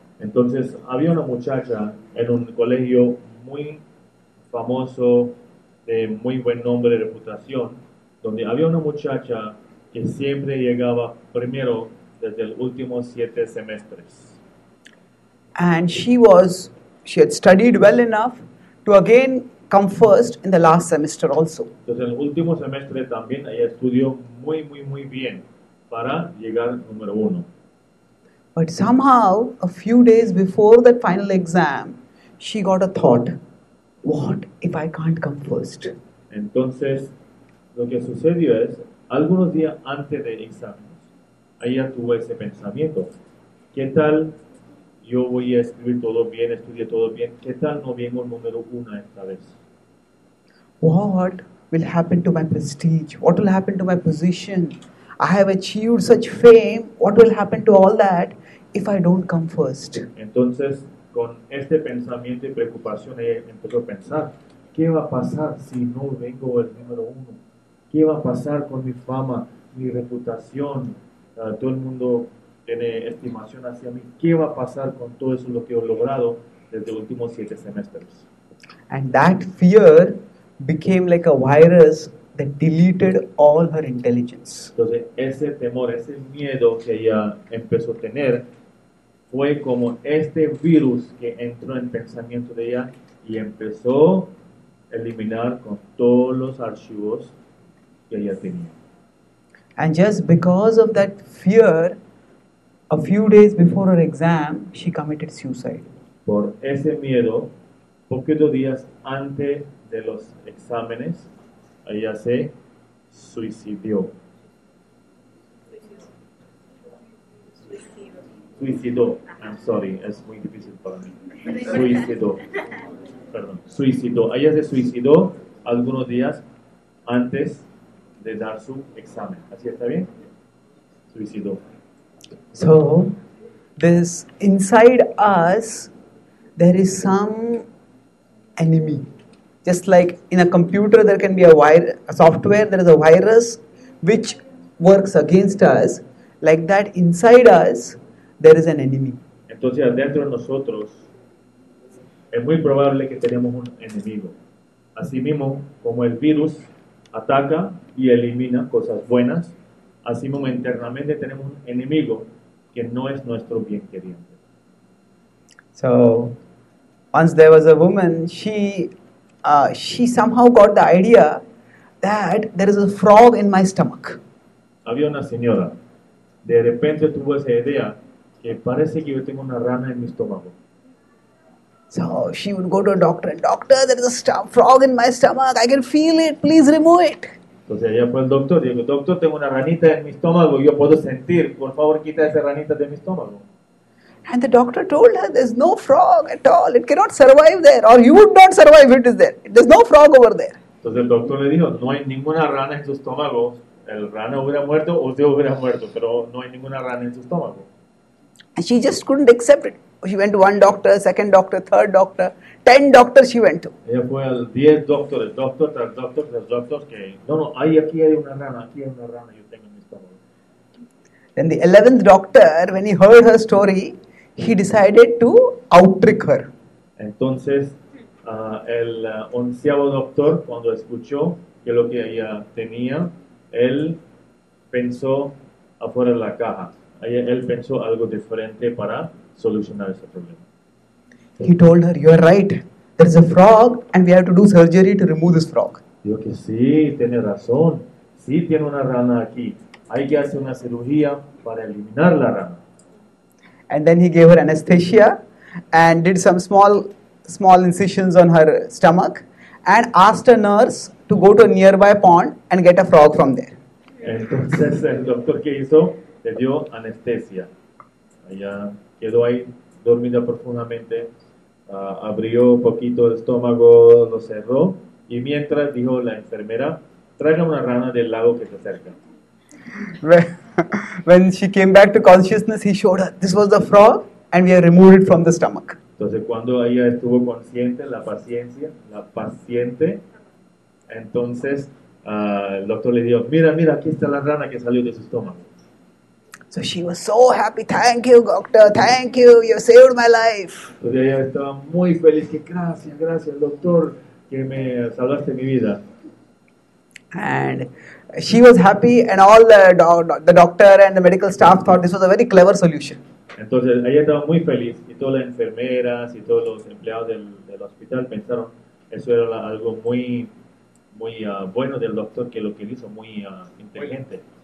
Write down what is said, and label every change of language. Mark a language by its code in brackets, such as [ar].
[es] Entonces, había una muchacha en un colegio muy famoso, de muy buen nombre y reputación, donde había una muchacha que siempre llegaba primero desde los últimos 7 semestres. [en] And she had studied well enough to again come first in the last semester also. [es] Entonces, en el último semestre también ella estudió muy, muy, muy bien para llegar número uno. [en] But somehow, a few days before that final exam, she got a thought, what if I can't come first? [es] Entonces, lo que sucedió es, algunos días antes del examen, ella tuvo ese pensamiento, ¿qué tal yo voy a escribir todo bien, estudié todo bien? ¿Qué tal no vengo número uno esta vez? [en] What will happen to my prestige? What will happen to my position? I have achieved such fame. What will happen to all that if I don't come first? [es] Entonces, con este pensamiento y preocupación, ella empezó a pensar, ¿qué va a pasar si no vengo el número uno? ¿Qué va a pasar con mi fama, mi reputación? Todo el mundo tiene estimación hacia mí. ¿Qué va a pasar con todo eso lo que he logrado desde los últimos 7 semestres? [en] And that fear became like a virus that deleted all her intelligence. [es] Entonces, ese temor, ese miedo que ella empezó a tener, fue como este virus que entró en el pensamiento de ella y empezó a eliminar con todos los archivos que ella tenía. [en] And just because of that fear, a few days before her exam, she committed suicide. [es] Por ese miedo, poquitos días antes de los exámenes, ella se suicidó. Suicidó. [en] I'm sorry, [es] es muy difícil para mí. Suicidó. Perdón, suicidó. Ella se suicidó algunos días antes de dar su examen. ¿Así está bien? Suicidó. [en] So, this inside us, there is some enemy. Just like in a computer, there can be a software, there is a virus which works against us. Like that, inside us, there is an enemy. [es] Entonces, dentro de nosotros, es muy probable que tenemos un enemigo. Asimismo, como el virus ataca y elimina cosas buenas, asimismo internamente tenemos un enemigo que no es nuestro bien queriente. [en] So, once there was a woman, she somehow got the idea that there is a frog in my stomach. [es] Había una señora, de repente tuvo esa idea que parece que yo tengo una rana en mi estómago. [en] So she would go to a doctor and, doctor, there is a frog in my stomach, I can feel it, please remove it. [es] Entonces ella fue al doctor y dijo, doctor, tengo una ranita en mi estómago, yo puedo sentir, por favor quita esa ranita de mi estómago. [en] And the doctor told her, there's no frog at all. It cannot survive there. Or you would not survive if it is there. There's no frog over there. [es] Entonces el doctor le dijo, no hay ninguna rana en su estómago. El rana hubiera muerto o usted hubiera muerto. Pero no hay ninguna rana en su estómago. [en] And she just couldn't accept it. She went to one doctor, second doctor, third doctor. 10 doctors she went to. [es] Ella fue al 10 doctores. Doctor tras doctor tras doctor. Que, no, aquí hay una rana. Aquí hay una rana. Yo tengo en mi estómago. [en] Then the 11th doctor, when he heard her story, he decided to out-trick her. [es] Entonces, el onceavo doctor, cuando escuchó que lo que ella tenía, él pensó afuera de la caja. Él pensó algo diferente para solucionar ese problema. [en] He told her, you are right. There is a frog and we have to do surgery to remove this frog. [es] Dijo que sí, tiene razón. Sí, tiene una rana aquí. Hay que hacer una cirugía para eliminar la rana. [en] And then he gave her anesthesia and did some small incisions on her stomach and asked a nurse to go to a nearby pond and get a frog from there. [es] Entonces el doctor que hizo, le dio anestesia. Ella quedó ahí dormida profundamente, abrió un poquito el estómago, lo cerró y mientras dijo la enfermera, traiga una rana del lago que se acerca. [en] When she came back to consciousness, he showed her, this was the frog and we have removed it from the stomach. [es] Entonces cuando ella estuvo consciente, la paciente, entonces el doctor le dijo, mira, aquí está la rana que salió de su estómago. [en] So she was so happy. Thank you, doctor. Thank you. You saved my life. [es] Entonces ella estaba muy feliz. Que gracias, gracias, doctor, que me salvaste mi vida. [en] And she was happy, and all the doctor and the medical staff thought this was a very clever solution. [es] Entonces ella estaba muy feliz, y todas las enfermeras y todos los empleados del hospital pensaron eso era algo muy bueno del doctor, que lo que hizo muy inteligente.